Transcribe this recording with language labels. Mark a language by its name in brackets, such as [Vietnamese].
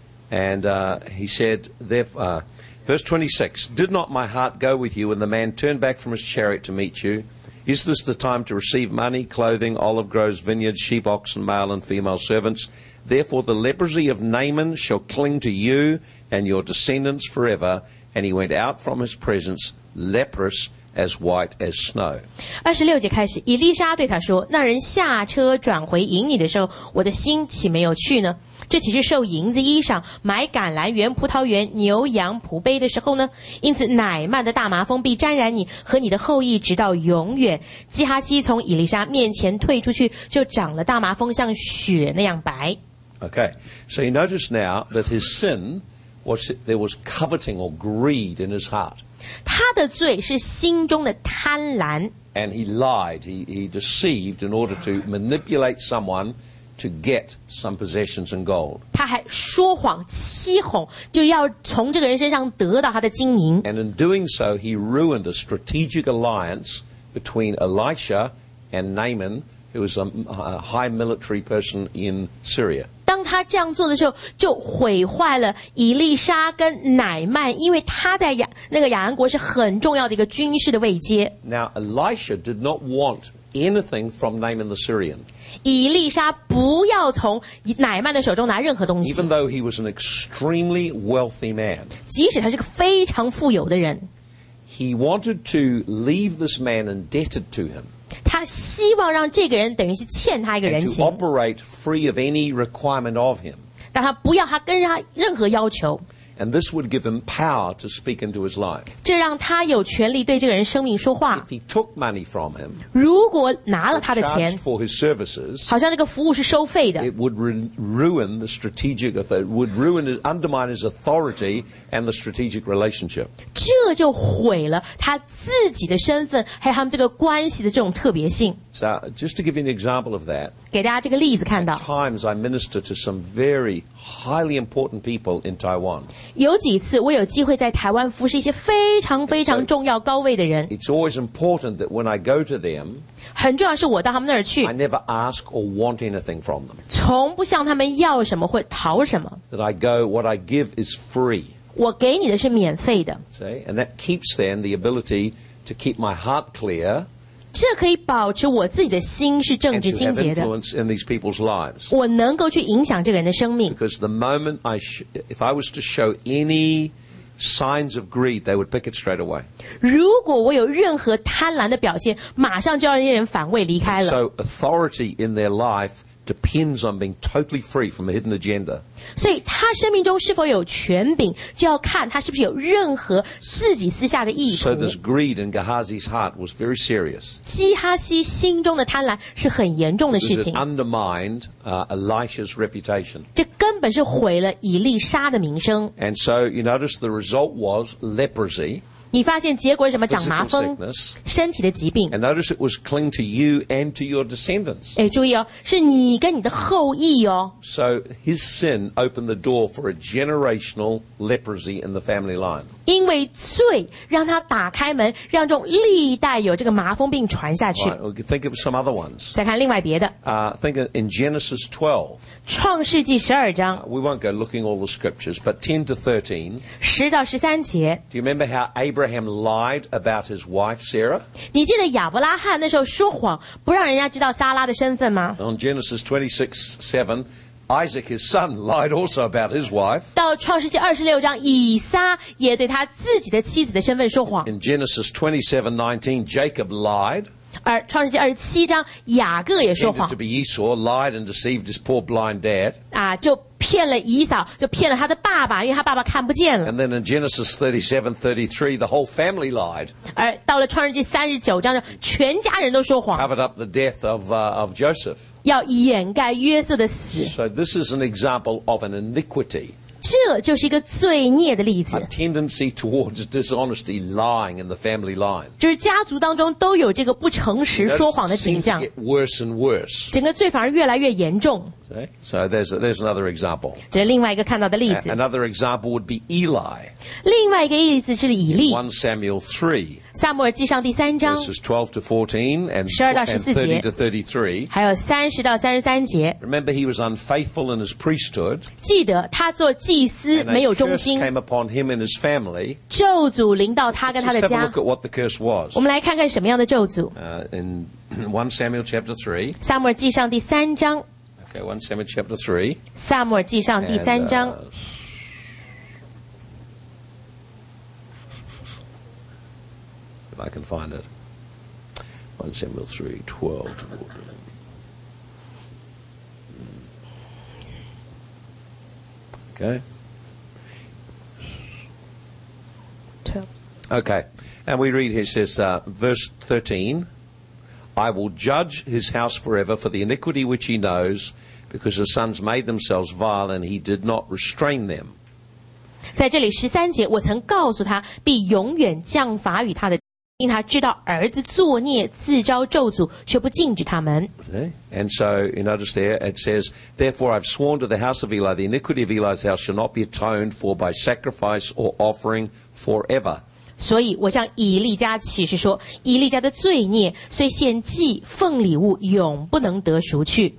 [English] And he said, verse 26, did not my heart go with you when the man turned back from his chariot to meet you? Is this the time to receive money, clothing, olive groves, vineyards, sheep, oxen, male and female servants? Therefore the leprosy of Naaman shall cling to you and your descendants forever. And he went out from his presence, leprous,As white as snow. [Chinese] 二十六节开始，以利沙对他说：“那人下车转回迎你的时候，我的心岂没有去呢？这岂是受银子衣裳、买橄榄园、葡萄园、牛羊仆卑的时候呢？因此，乃曼的大麻风必沾染你和你的后裔，直到永远。” 基哈西从以利沙面前退出去，就长了大麻风，像雪那样白。 [English] Okay, so you notice now that his sin was there was coveting or greed in his heart. [Chinese] 他的罪是心中的贪婪 [English] And he lied, he deceived in order to manipulate someone to get some possessions and gold. [Chinese] 他还说谎欺哄就要从这个人身上得到他的金银 [English] And in doing so, he ruined a strategic alliance between Elisha and Naaman, who was a high military person in Syria. [Chinese] 当他这样做的时候，就毁坏了以利沙跟乃曼，因为他在亚兰国是很重要的一个军事的位阶。 [English] Now Elisha did not want anything from Naaman the Syrian. [Chinese] 以利沙不要从乃曼的手中拿任何东西。 [English] Even though he was an extremely wealthy man, [Chinese] 即使他是个非常富有的人 [English] ，he wanted to leave this man indebted to him. [Chinese] 他希望让这个人等于是欠他一个人情 [English] to operate free of any requirement of him. [Chinese] 但他不要他跟他任何要求 [English] And this would give him power to speak into his life. [Chinese] 这让他有权利对这个人生命说话 [English] If he took money from him, [Chinese] 如果拿了他的钱 [English] charged for his services, [Chinese] 好像这个服务是收费的 [English] It would ruin the strategic authority, would ruin it, undermine his authority and the strategic relationship. [Chinese] 这就毁了他自己的身份还有他们这个关系的这种特别性 [English] So, just to give you an example of that, [Chinese] 给大家这个例子看到 [English] At times I minister to some very highly important people in Taiwan. [Chinese] 有几次我有机会在台湾服侍一些非常非常重要高位的人 [English] It's always important that when I go to them, [Chinese] 很重要是我到他们那儿去 [English] I never ask or want anything from them. [Chinese] 从不向他们要什么或讨什么 [English] That I go, what I give is free. [Chinese] 我给你的是免费的 [English] See? And that keeps then the ability to keep my heart clear [Chinese] 这可以保持我自己的心是正直清洁的 [English] And to have influence in these people's lives [Chinese] 我能够去影响这个人的生命 [English] Because the moment if I was to show any signs of greed they would pick it straight away [Chinese] 如果我有任何贪婪的表现马上就要让那些人反胃离开了 [English] And so authority in their lifeDepends on being totally free from a hidden agenda. [Chinese] 所以他生命中是否有权柄，就要看他是不是有任何自己私下的意图。 [English] So this greed in Gehazi's heart was very serious. [Chinese] 基哈西心中的贪婪是很严重的事情。 [English] It undermined Elisha's reputation. [Chinese] 这根本是毁了以利沙的名声。 [English] And so you notice the result was leprosy. [Chinese] 你发现结果是什么？长麻风，身体的疾病。 [English] And notice it was cling to you and to your descendants. [Chinese] 哎，注意哦，是你跟你的后裔哦。 [English] So his sin opened the door for a generational leprosy in the family line. [Chinese] 因为罪让他打开门，让这种历代有这个麻风病传下去。 [English] Right, we'll think of some other ones. [Chinese] 再看另外别的。 [English] Think of in Genesis 12. [Chinese] 创世纪十二章。 [English] We won't go looking all the scriptures, but 10 to 13. [Chinese] 十到十三节。 [English] Do you remember how Abraham lied about his wife Sarah? [Chinese] 你记得亚伯拉罕那时候说谎，不让人家知道撒拉的身份吗 [English] ？On Genesis 26:7, Isaac his son lied also about his wife. [Chinese] 到创世纪二十六章，以撒也对他自己的妻子的身份说谎。 [English] In Genesis 27:19, Jacob lied. [Chinese] 而创世纪二十七章雅各也说谎 [English] to be Esau, lied and deceived his poor blind dad. [Chinese] 啊，就骗了以扫，就骗了他的爸爸，因为他爸爸看不见了。 [English] And then in Genesis 37:33, the whole family lied. [Chinese] 而到了创世纪三十九章，全家人都说谎。 [English] Covered up the death of Joseph. [Chinese] 要掩盖约瑟的死。 [English] So this is an example of an iniquity. [Chinese] 这就是一个罪孽的例子。 [English] A tendency towards dishonesty, lying in the family line. [Chinese] 就是家族当中都有这个不诚实说谎的景象。 [English] It seems to get worse and worse. [Chinese] 整个罪反而越来越严重。 [English] So there's another example. [Chinese] 这是另外一个看到的例子。 [English] Another example would be Eli. [Chinese] 另外一个例子是以利。 [English] 1 Samuel 3. [Chinese] 撒母耳记上第三章。 [English] Verses 12 to 14 and [Chinese] 12-14节。还有30-33节。 [English] Remember he was unfaithful in his priesthood. [Chinese] 记得他做祭司没有忠心。 [English] And a curse came upon him and his family. [Chinese] 咒诅临到他跟他的家。 [English] Let's have a look at what the curse was. [Chinese] 我们来看看什么样的咒诅。 [English] In 1 Samuel chapter 3. [Chinese] 撒母耳记上第三章。 [English] Okay, 1 Samuel chapter 3. [Chinese] 撒母耳记上第三章。 [English] If I can find it. 1 Samuel 3, 12 to 14. Okay. 12. Okay. And we read here, it says, verse 13, I will judge his house forever for the iniquity which he knows. Because his sons made themselves vile and he did not restrain them. [Chinese] 在这里十三节我曾告诉他必永远降罚于他的因他知道儿子作孽自招咒诅却不禁止他们。 [English] And so you notice there it says, Therefore I've sworn to the house of Eli, the iniquity of Eli's house shall not be atoned for by sacrifice or offering forever. [Chinese] 所以我向以利家启示说以利家的罪孽虽献祭奉礼物永不能得赎去